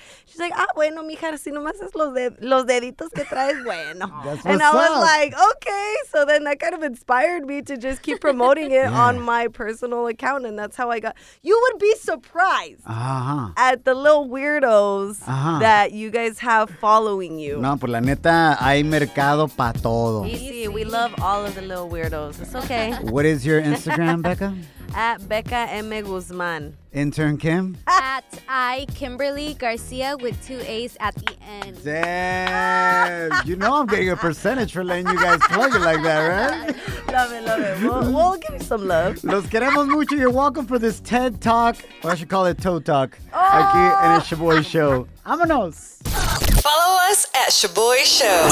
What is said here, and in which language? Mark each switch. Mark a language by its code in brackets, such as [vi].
[en] She's like, [es] ah, bueno, mija, si nomás es los deditos que traes, bueno. [en] And I was like, okay. So then that kind of inspired me to just keep promoting it on my personal account. And that's how I got. You would be surprised at the little weirdos that you guys have following you. [es] No, por la neta, hay mercado para todo. [en] Easy, we love all of the little weirdos. It's okay. What is your Instagram, Becca? At Becca M. Guzman. Intern Kim? At I Kimberly Garcia with two A's at the end. Damn. You know I'm getting a percentage for letting you guys plug it like that, right? Love it, love it. We'll give you some love. [es] Los queremos mucho. [en] You're welcome for this TED Talk, or I should call it Toe Talk. [es] Aquí en el Shaboy Show. Vámonos. [en] Follow us at Shaboy Show.